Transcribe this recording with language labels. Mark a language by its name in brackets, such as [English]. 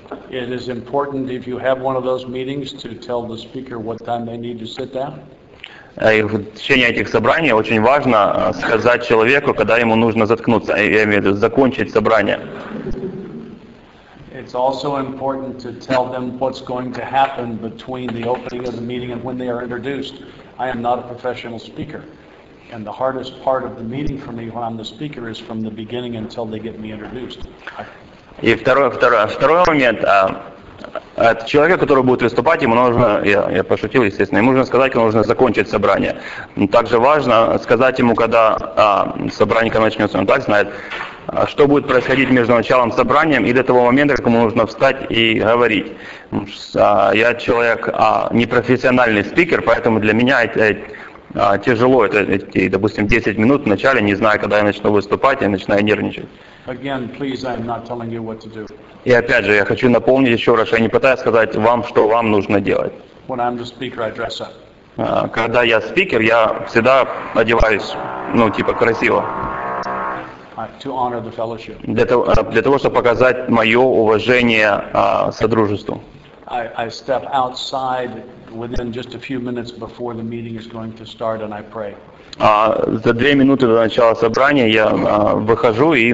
[English] It is important if you have one of those meetings to tell the speaker what time they need to sit down. [Russian] И в течение этих собраний очень важно сказать человеку, когда ему нужно заткнуться, я имею в виду закончить собрание. [English] It's also important to tell them what's going to happen between the opening of the meeting and when they are introduced. I am not a professional speaker. And the hardest part of the meeting for me when I'm the speaker is from the beginning until they get me introduced. [Russian] И второй момент. Человек, который будет выступать, ему нужно, я пошутил, естественно, ему нужно сказать, ему нужно закончить собрание. Но также важно сказать ему, когда собрание начнется, он так знает, что будет происходить между началом собрания и до того момента, как ему нужно встать и говорить. Я человек непрофессиональный спикер, поэтому для меня тяжело, допустим, 10 минут в начале, не зная, когда я начну выступать, я начинаю нервничать. [English] Again, please, I am not telling you what to do. [Russian] И опять же, я хочу напомнить еще раз, я не пытаюсь сказать вам, что вам нужно делать. [English] When I'm the speaker, I dress up. [Russian] Когда я спикер, я всегда одеваюсь, ну, типа, красиво. [English] To honor the fellowship. [Russian] Для того, чтобы показать мое уважение содружеству. [English] I step outside within just a few minutes before the meeting is going to start, and I pray. [Russian] За две минуты до начала собрания я выхожу и